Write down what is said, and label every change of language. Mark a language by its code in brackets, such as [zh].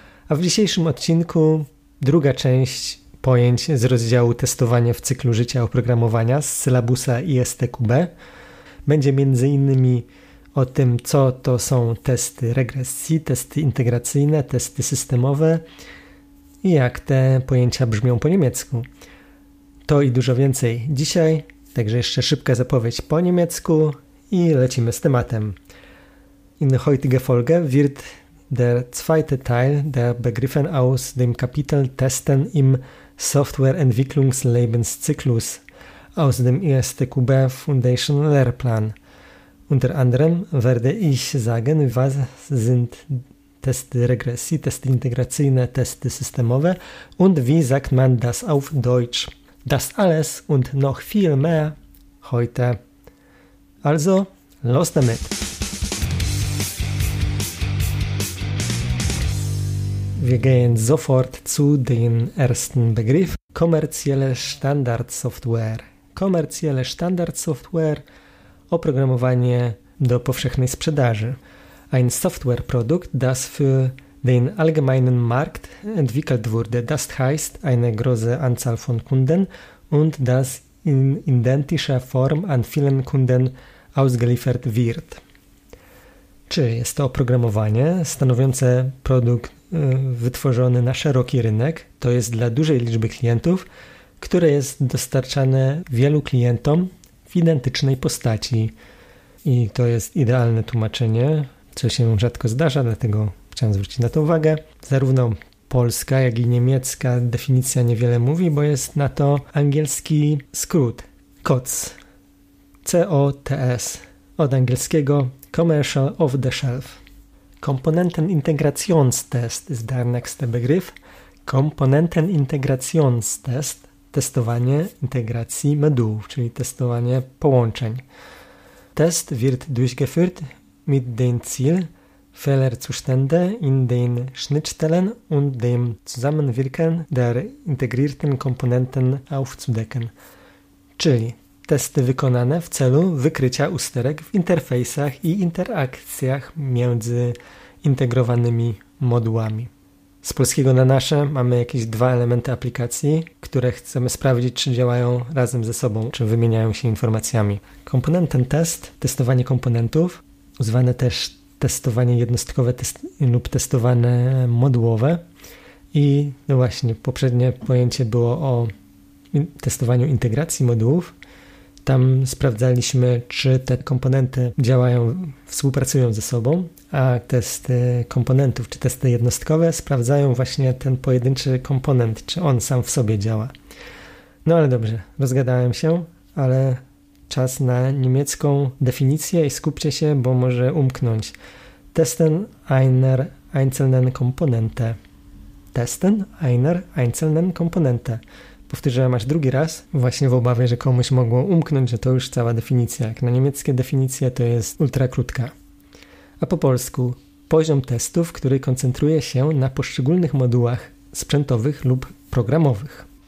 [pl] A w dzisiejszym odcinku druga część pojęć z rozdziału testowanie w cyklu życia oprogramowania z sylabusa ISTQB będzie między innymi o tym, co to są testy regresji, testy integracyjne, testy systemowe i jak te pojęcia brzmią po niemiecku. To i dużo więcej dzisiaj, także jeszcze szybka zapowiedź po niemiecku i lecimy z tematem. [de] In der heutigen Folge wird der zweite Teil der Begriffen aus dem Kapitel Testen im Softwareentwicklungslebenszyklus aus dem ISTQB Foundation Lehrplan. Unter anderem werde ich sagen, was sind [pl] Testy regresji, testy integracyjne, testy systemowe [de] und wie sagt man das auf Deutsch. Das alles und noch viel mehr heute. Also, los damit! Wir gehen sofort zu dem ersten Begriff. Kommerzielle Standardsoftware. Kommerzielle Standardsoftware. [pl] Oprogramowanie do powszechnej sprzedaży. [de] Ein Softwareprodukt, das für den allgemeinen Markt entwickelt wurde. Das heißt, eine große Anzahl von Kunden und das in identischer Form an vielen Kunden ausgeliefert wird. [pl] Czy jest to oprogramowanie stanowiące produkt wytworzony na szeroki rynek, to jest dla dużej liczby klientów, które jest dostarczane wielu klientom identycznej postaci. I to jest idealne tłumaczenie, co się rzadko zdarza, dlatego chciałem zwrócić na to uwagę. Zarówno polska, jak i niemiecka definicja niewiele mówi, bo jest na to angielski skrót COTS. [en] COTS. [pl] Od angielskiego [en] Commercial Off the Shelf. [de] Komponentenintegrationstest ist der nächste Begriff. Komponentenintegrationstest. [pl] Testowanie integracji modułów, czyli testowanie połączeń. [de] Test wird durchgeführt mit dem Ziel, Fehlerzustände in den Schnittstellen und dem Zusammenwirken der integrierten Komponenten aufzudecken. [pl] Czyli testy wykonane w celu wykrycia usterek w interfejsach i interakcjach między integrowanymi modułami. Z polskiego na nasze mamy jakieś dwa elementy aplikacji, które chcemy sprawdzić, czy działają razem ze sobą, czy wymieniają się informacjami. Komponententest, testowanie komponentów, zwane też testowanie jednostkowe lub testowane modułowe. I właśnie poprzednie pojęcie było o testowaniu integracji modułów. Tam sprawdzaliśmy, czy te komponenty działają, współpracują ze sobą, a testy komponentów, czy testy jednostkowe sprawdzają właśnie ten pojedynczy komponent, czy on sam w sobie działa. No ale dobrze, rozgadałem się, ale czas na niemiecką definicję i skupcie się, bo może umknąć. [de] Testen einer einzelnen Komponente. Testen einer einzelnen Komponente. [pl] Powtórzę aż drugi raz, właśnie w obawie, że komuś mogło umknąć, że to już cała definicja. Jak na niemieckie definicje, to jest ultra krótka. A po polsku, poziom testów, który koncentruje się na poszczególnych modułach sprzętowych lub programowych.